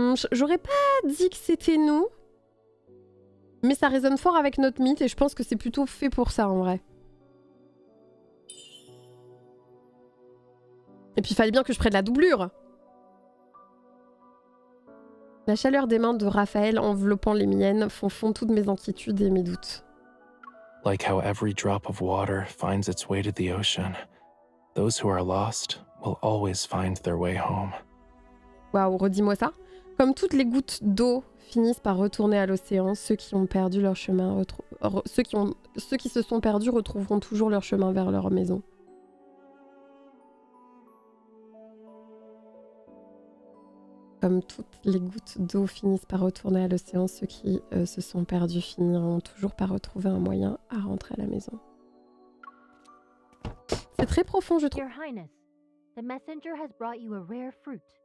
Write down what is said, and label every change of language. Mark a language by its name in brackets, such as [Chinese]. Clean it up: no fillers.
[French] J'aurais pas dit que c'était nous, mais ça résonne fort avec notre mythe et je pense que c'est plutôt fait pour ça en vrai. Et puis fallait bien que je prenne la doublure. La chaleur des mains de Raphaël enveloppant les miennes font fondre toutes mes inquiétudes et mes doutes. [English] Like how every drop of water finds its way to the ocean, those who are lost will always find their way home. [French] Waouh, redis-moi ça. Comme toutes les gouttes d'eau finissent par retourner à l'océan, ceux qui ont perdu leur chemin ceux qui se sont perdus retrouveront toujours leur chemin vers leur maison. Comme toutes les gouttes d'eau finissent par retourner à l'océan, ceux qui se sont perdus finiront toujours par retrouver un moyen à rentrer à la maison. C'est très profond, je trouve. [English] Your Highness, the messenger has brought you a rare fruit.